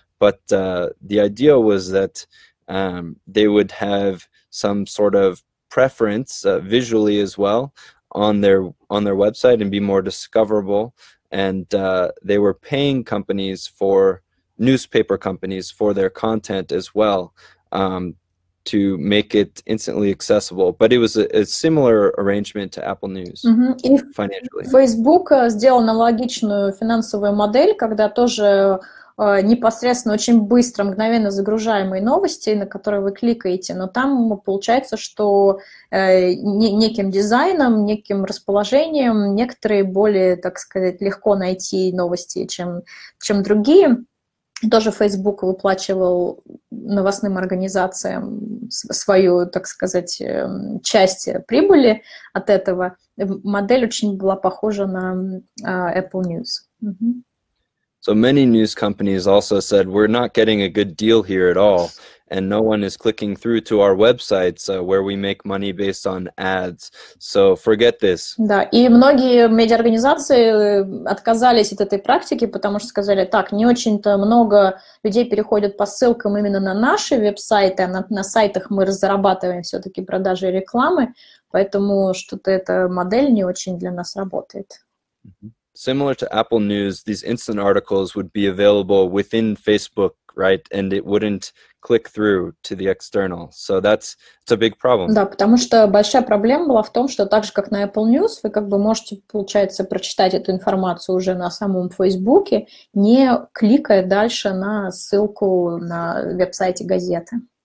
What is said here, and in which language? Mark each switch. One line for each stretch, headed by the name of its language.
English: But the idea was that they would have some sort of preference visually as well on their website and be more discoverable, and they were paying companies for newspaper companies for their content as well to make it instantly accessible, but it was a similar arrangement to Apple News. Mm-hmm. Financially,
Russian: Facebook сделал аналогичную финансовую модель, когда тоже непосредственно очень быстро, мгновенно загружаемые новости, на которые вы кликаете, но там получается, что неким дизайном, неким расположением некоторые более, так сказать, легко найти новости, чем другие. Тоже Facebook выплачивал новостным организациям свою, так сказать, часть прибыли от этого. Модель очень была похожа на Apple News. Mm-hmm.
English: So many news companies also said, we're not getting a good deal here at all, and no one is clicking through to our websites, where we make money based on ads. So forget this.
Russian: Да, и многие медиаорганизации отказались от этой практики, потому что сказали, так, не очень-то много людей переходят по ссылкам именно на наши веб-сайты, на сайтах мы разрабатываем все-таки продажи и рекламы, поэтому что-то эта модель не очень для нас работает.
English: Similar to Apple News, these instant articles would be available within Facebook, right? And it wouldn't click through to the external. So that's a big problem.
Russian: Да, потому что большая проблема была в том, что так же, как на Apple News, вы как бы можете, получается, прочитать эту информацию уже на самом Фейсбуке, не кликая дальше на ссылку на веб-сайте газеты.